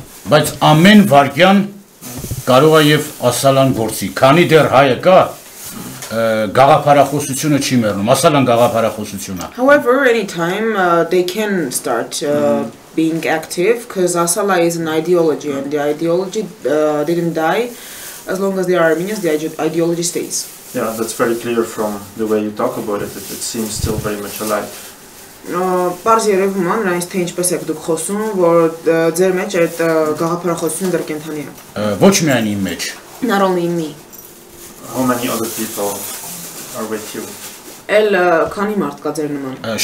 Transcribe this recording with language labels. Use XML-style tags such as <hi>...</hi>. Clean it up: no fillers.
<hy>Բայց ամեն վարքյան կարող է եւ ASALA-ն գործի։ Քանի դեռ հայը կա, գաղափարախոսությունը չի մեռնում, ASALA-ն գաղափարախոսությունն է։</hy> <en>However, anytime they can start being active because ASALA is an ideology and the ideology didn't die as long as they are Armenians, the ideology stays. Yeah, that's very clear from the way you talk about it. It seems still very much alive.</en> <hy>Պարզ երևում է նրանից թե ինչպես եք դուք խոսում, որ ձեր մեջ այդ գաղափարախոսությունը դեռ կենթանի է։ Ոչ միայն իմ մեջ։</hy> <en>Not only in me. How many other people are with you?</en> <hy>Էլ քանի մարդ կա ձեր նման։</hy>